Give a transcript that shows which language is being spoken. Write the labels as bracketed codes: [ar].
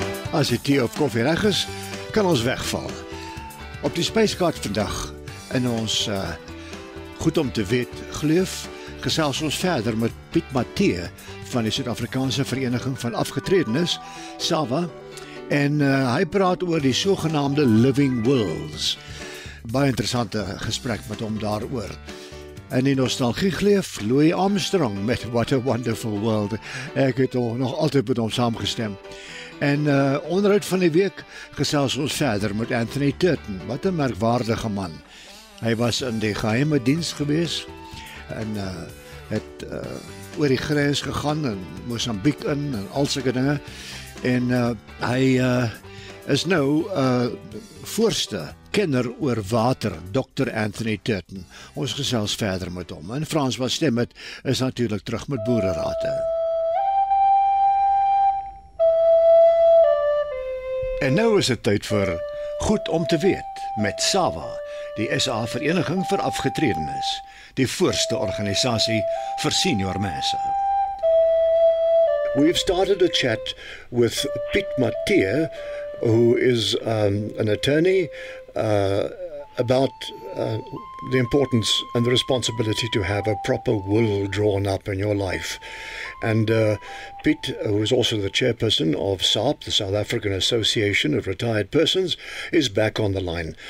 [af] As die tee of koffie reg is, kan ons wegval. Op die spyskaart vandag in ons goed om te weet gleuf, gesels ons verder met Piet Matthee van die Suid-Afrikaanse Vereniging van Afgetredenes, SAVA, en hy praat oor die sogenaamde Living Wills. Baie interessante gesprek met hom daaroor. En die nostalgie gleef Louis Armstrong met What a Wonderful World. Ek het nog altyd met hom saamgestem. En onderuit van die week gesels ons verder met Anthony Turton. Wat een merkwaardige man. Hy was in die geheime dienst gewees en het oor die grens gegaan en Mozambique in en al sulke dinge. En hy is nou voorste kenner oor water, Dr. Anthony Turton. Ons gesels verder met hom. En Frans van Stemmet is natuurlik terug met Boererate. En nou is het tyd vir Goed om te weet met SAVA, die SA Vereniging vir Afgetredenes, die voorste organisasie vir senior mense. [en] We've started a chat with Piet Matthee, who is an attorney, about the importance and the responsibility to have a proper will drawn up in your life. And Piet, who is also the chairperson of SARP, the South African Association of Retired Persons, is back on the line.